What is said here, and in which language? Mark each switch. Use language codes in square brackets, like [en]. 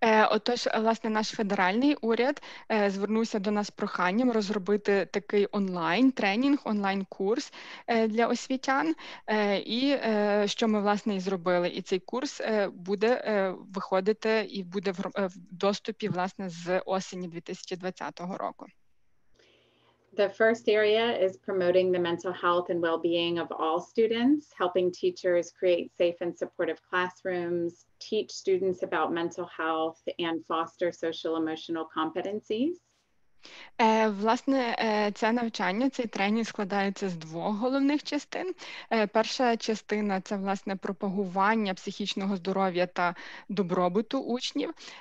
[uk] Отож, власне, наш федеральний уряд звернувся до нас з проханням розробити такий онлайн-тренінг, онлайн-курс для освітян, і що ми, власне, і зробили. І цей курс буде виходити і буде в доступі, власне, з осені 2020 року. [en] The first area is promoting the mental health and well-being of all students, helping teachers create safe and supportive classrooms, teach students about mental health, and foster social emotional competencies. [uk] Власне, це навчання, цей тренінг складається з двох головних частин. Перша частина – це, власне, пропагування психічного здоров'я та добробуту учнів.